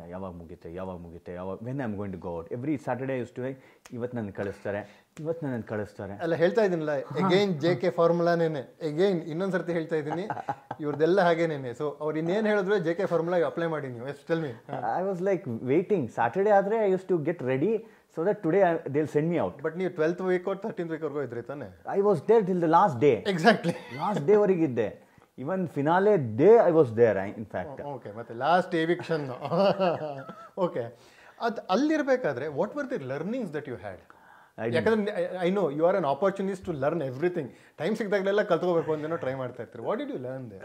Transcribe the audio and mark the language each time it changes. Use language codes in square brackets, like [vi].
[kn] ಯಾವಾಗ ಮುಗಿತೆ ಯಾವಾಗ [en] when I am going to go out every Saturday use to like [kn] ಇವತ್ತು ನನ್ನ ಕಳಿಸ್ತಾರೆ ಇವತ್ತು ನನ್ನ ಕಳಿಸ್ತಾರೆ ಅಲ್ಲ ಹೇಳ್ತಾ ಇದ್ದೀನಲ್ಲ ಅಗೇನ್ ಜೆ ಕೆ ಫಾರ್ಮುಲಾನೇ ಅಗೇನ್ ಇನ್ನೊಂದು ಸರ್ತಿ ಹೇಳ್ತಾ ಇದ್ದೀನಿ ಇವ್ರದ್ದೆಲ್ಲ ಹಾಗೇನೇ ಸೊ ಅವ್ರು ಇನ್ನೇನು ಹೇಳಿದ್ರು ಜೆ ಕೆ ಫಾರ್ಮುಲಾಗೆ ಅಪ್ಲೈ ಮಾಡಿ ನೀವು [en] yes tell me I was like waiting Saturday ಆದರೆ I use to get ready so that today they will send me out [kn] but ನೀವು [en] 12th week or 13th week [kn] ಇದ್ರೆ ತಾನೆ [en] I was there till the last day exactly [kn] last day ವರೆಗೆ ಇದ್ದೆ [en] even finale day I was there in fact [kn] okay ಮತ್ತೆ last eviction okay ಅದು ಅಲ್ಲಿರಬೇಕಾದ್ರೆ [en] what were the learnings that you had ಯಾಕಂದ್ರೆ I know you are an opportunist to learn everything [kn] time ಸಿಕ್ಕದಾಗಲೆಲ್ಲ ಕಲ್ತ್ಕೋಬೇಕು ಅಂತೇನೋ try ಮಾಡ್ತಾ ಇರ್ತೀರಿ [en] what did you learn there